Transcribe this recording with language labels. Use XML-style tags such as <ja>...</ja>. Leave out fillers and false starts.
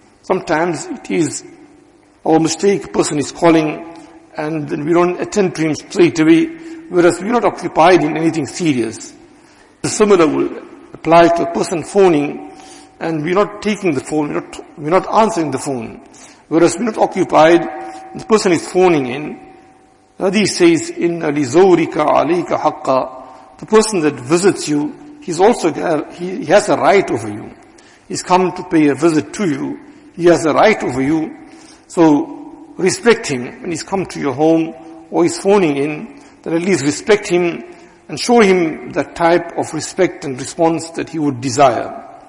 <en>Sometimes it is our mistake, a person is calling, and then we don't attend to him straight away, whereas we are not occupied in anything serious. The similar will apply to a person phoning, and we are not taking the phone, we are not answering the phone. Whereas we are not occupied, the person is phoning in. Hadith says,</en> <ar>إِنَّ لِزَوْرِكَ عَلَيْكَ حَقَّ.</ar> <en>The person that visits you, he has a right over you. He's come to pay a visit to you. He has a right over you. So respect him when he's come to your home or he's phoning in, then at least respect him and show him that type of respect and response that he would desire.</en>